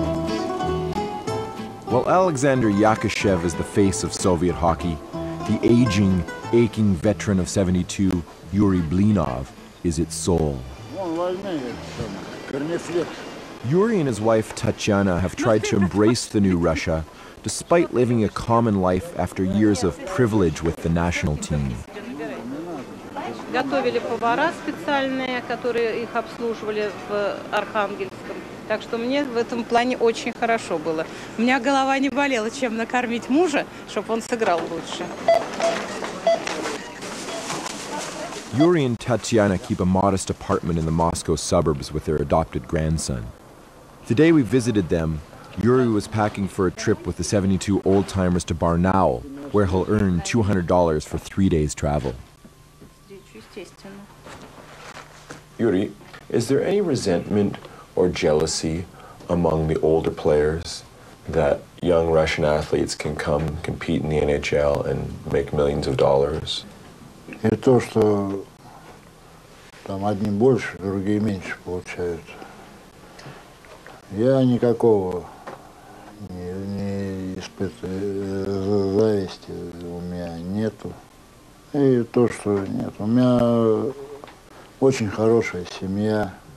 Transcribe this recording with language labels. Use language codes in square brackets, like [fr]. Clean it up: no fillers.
[en] While Alexander Yakushev is the face of Soviet hockey, the aging, aching veteran of 72, Yuri Blinov, is its soul. Yuri and his wife Tatiana have tried to embrace the new Russia, despite living a common life after years of privilege with the national team. [ru] Готовили повара специальные, которые их обслуживали в Архангельском. Так что мне в этом плане очень хорошо было. У меня голова не болела, чем накормить мужа, чтобы он сыграл лучше. [en] Yuri and Tatiana keep a modest apartment in the Moscow suburbs with their adopted grandson. The day we visited them, Yuri was packing for a trip with the 72 old-timers to Barnaul, where he'll earn $200 for 3 days' travel. Yuri, is there any resentment or jealousy among the older players that young Russian athletes can come compete in the NHL and make millions of dollars? [ru] Не то, что там одни больше, другие меньше получают. Я никакого не испытываю зависти у меня нету. И то, что нет, у меня очень хорошая семья.